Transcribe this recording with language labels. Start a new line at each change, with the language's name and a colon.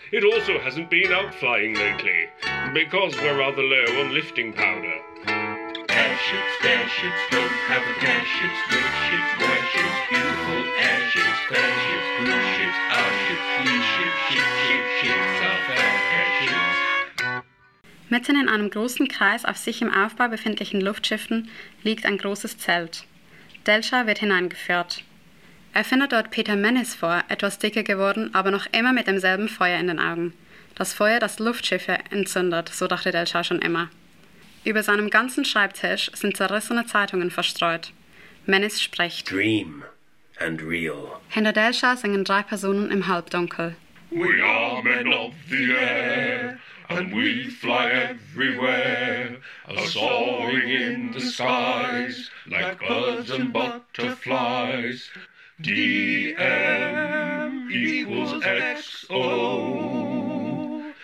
English: It also hasn't been out flying lately, because we're rather low on lifting powder. Airships, airships, don't have a care. Ships, which ships, where ships, beautiful airships, fair ships, who ships, our ships, these ships, ships, ships, ships, our fair airships.
German: Mitten in einem großen Kreis auf sich im Aufbau befindlichen Luftschiffen liegt ein großes Zelt. Delsha wird hineingeführt. Er findet dort Peter Menes vor, etwas dicker geworden, aber noch immer mit demselben Feuer in den Augen. Das Feuer, das Luftschiffe entzündet, so dachte Delsha schon immer. Über seinem ganzen Schreibtisch sind zerrissene Zeitungen verstreut. Menes spricht.
English: Dream and real.
German: Hinter Delsha singen drei Personen im Halbdunkel.
English: We are men of the air, and we fly everywhere, soaring in the skies, like birds and butterflies. DM equals XO.